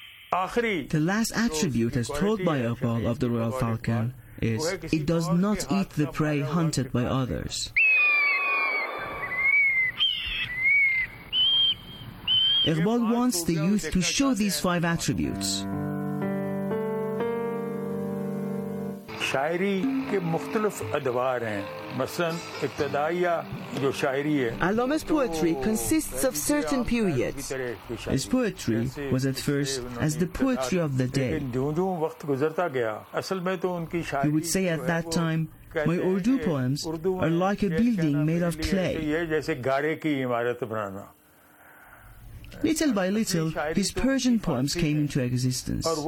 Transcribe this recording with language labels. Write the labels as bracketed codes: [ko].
[en] The last attribute, as told by Iqbal of the Royal Falcon, is it does not eat the prey hunted by others. Iqbal wants the youth to show these five attributes. [ur] شاعری کے مختلف ادوار ہیں مثلا ابتدائیہ جو شاعری ہے [en] علامہ's poetry consists of certain periods his poetry was at first as the poetry of the day [ur] لیکن جو وقت گزرتا گیا اصل میں تو ان کی شاعری [en] he would say at that time my urdu poems are like a building made of clay [ur] یہ جیسے گارے کی عمارت بنانا [en] Little by little, his Persian poems came into existence.